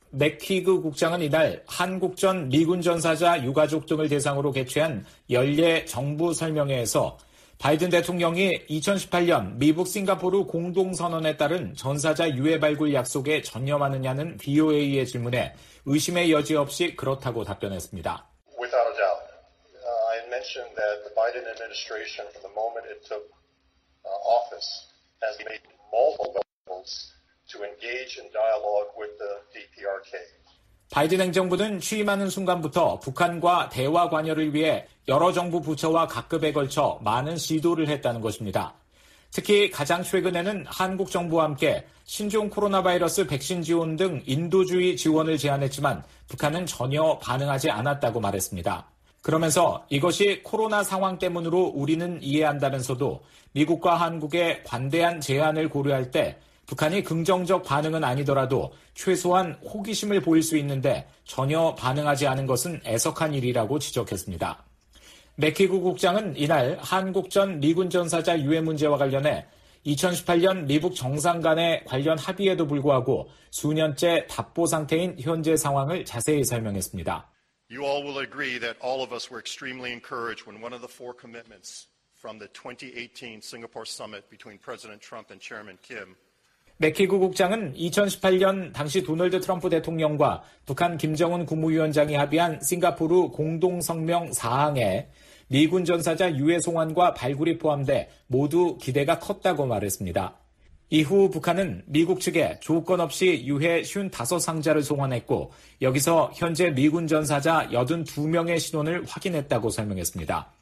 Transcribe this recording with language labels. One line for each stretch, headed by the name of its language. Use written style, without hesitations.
Korean: 맥히그 국장은 이날 한국전 미군 전사자 유가족 등을 대상으로 개최한 연례 정부 설명회에서 바이든 대통령이 2018년 미국 싱가포르 공동선언에 따른 전사자 유해 발굴 약속에 전념하느냐는 BOA의 질문에 의심의 여지 없이 그렇다고 답변했습니다.
English: Without a doubt, I mentioned that the Biden administration, from the moment it took office, has made multiple goals to engage in dialogue with the DPRK.
Korean: 바이든 행정부는 취임하는 순간부터 북한과 대화 관여를 위해 여러 정부 부처와 각급에 걸쳐 많은 시도를 했다는 것입니다. 특히 가장 최근에는 한국 정부와 함께 신종 코로나 바이러스 백신 지원 등 인도주의 지원을 제안했지만 북한은 전혀 반응하지 않았다고 말했습니다. 그러면서 이것이 코로나 상황 때문으로 우리는 이해한다면서도 미국과 한국의 관대한 제안을 고려할 때 북한이 긍정적 반응은 아니더라도 최소한 호기심을 보일 수 있는데 전혀 반응하지 않은 것은 애석한 일이라고 지적했습니다. 맥히그 국장은 이날 한국전 미군 전사자 유해 문제와 관련해 2018년 미북 정상 간의 관련 합의에도 불구하고 수년째 답보 상태인 현재 상황을 자세히 설명했습니다.
English: You all will agree that all of us were extremely encouraged when one of the four commitments from the 2018 Singapore summit between President Trump and Chairman Kim
Korean: 맥히그 국장은 2018년 당시 도널드 트럼프 대통령과 북한 김정은 국무위원장이 합의한 싱가포르 공동성명 4항에 미군 전사자 유해 송환과 발굴이 포함돼 모두 기대가 컸다고 말했습니다. 이후 북한은 미국 측에 조건 없이 유해 55상자를 송환했고 여기서 현재 미군 전사자 82명의 신원을 확인했다고 설명했습니다.